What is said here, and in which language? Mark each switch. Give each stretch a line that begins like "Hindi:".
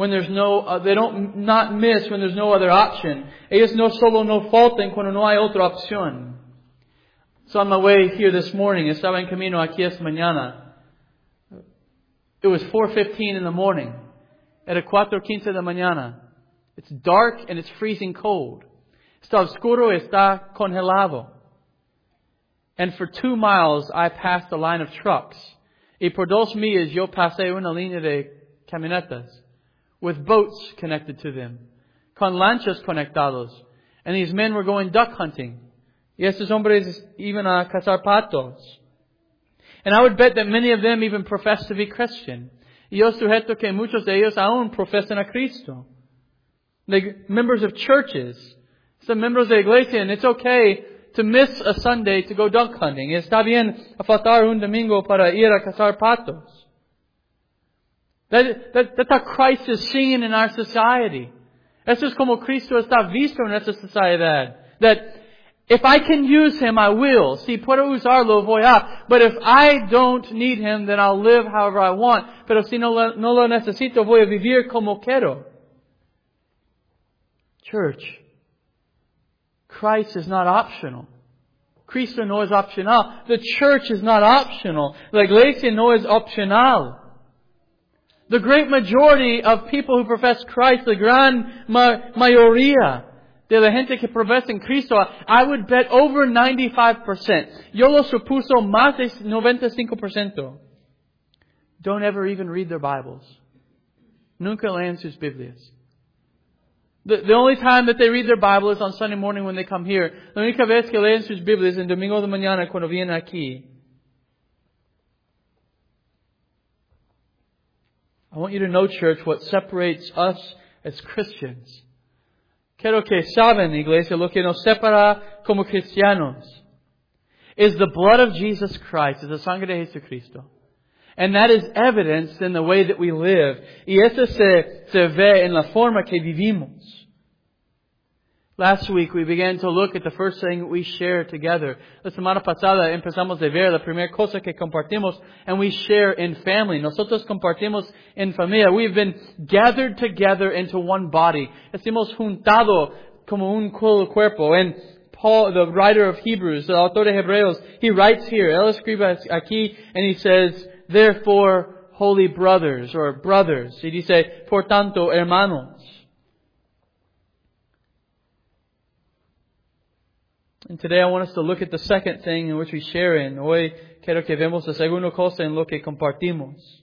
English: They don't miss when there's no other option.
Spanish: Ellos no solo no faltan cuando no hay otra opción.
English: So on my way here this morning,
Spanish: estaba en camino aquí esta mañana.
English: It was 4:15 in the morning.
Spanish: Era 4:15 de mañana.
English: It's dark and it's freezing cold.
Spanish: Está oscuro y está congelado.
English: And for 2 miles, I passed a line of trucks.
Spanish: Y por 2 millas, yo pasé una línea de camionetas
English: with boats connected to them,
Spanish: con lanchas conectados.
English: And these men were going duck hunting.
Spanish: Y estos hombres iban a cazar patos.
English: And I would bet that many of them even profess to be Christian.
Spanish: Y yo sujeto que muchos de ellos aún profesan a Cristo.
English: Like members of churches. Some members de iglesia. And it's okay to miss a Sunday to go duck hunting.
Spanish: Está bien a faltar un domingo para ir a cazar patos.
English: That's how Christ is seen in our society.
Spanish: Eso es como Cristo está visto en esta sociedad.
English: That if I can use Him, I will.
Spanish: Si puedo usarlo, voy a.
English: But if I don't need Him, then I'll live however I want.
Spanish: Pero si no lo necesito, voy a vivir como quiero.
English: Church. Christ is not optional.
Spanish: Cristo no es optional.
English: The church is not optional.
Spanish: La iglesia no es optional.
English: The great majority of people who profess Christ, the
Spanish: gran mayoría de la gente que profesan Cristo,
English: I would bet over 95%.
Spanish: Yo lo supuso más de 95%.
English: Don't ever even read their Bibles.
Spanish: Nunca leen sus Biblias.
English: The only time that they read their Bible is on Sunday morning when they come here.
Spanish: La única vez que leen sus Biblias en domingo de mañana cuando vienen aquí.
English: I want you to know, church, what separates us as Christians.
Spanish: Quiero que saben, iglesia, lo que nos separa como cristianos
English: is the blood of Jesus Christ,
Spanish: is the sangre de Jesucristo.
English: And that is evidenced in the way that we live.
Spanish: Y eso se ve en la forma que vivimos.
English: Last week, we began to look at the first thing we share together.
Spanish: La semana pasada, empezamos a ver la primera cosa que compartimos,
English: and we share in family.
Spanish: Nosotros compartimos en familia.
English: We've been gathered together into one body.
Spanish: Estamos juntado como un cuerpo.
English: And Paul, the writer of Hebrews, the
Spanish: autor de Hebreos,
English: he writes here,
Spanish: él escribe aquí,
English: and he says, therefore, holy brothers, or brothers.
Spanish: Y dice, por tanto, hermanos.
English: And today I want us to look at the second thing in which we share in.
Spanish: Hoy quiero que vemos la segunda cosa en lo que compartimos.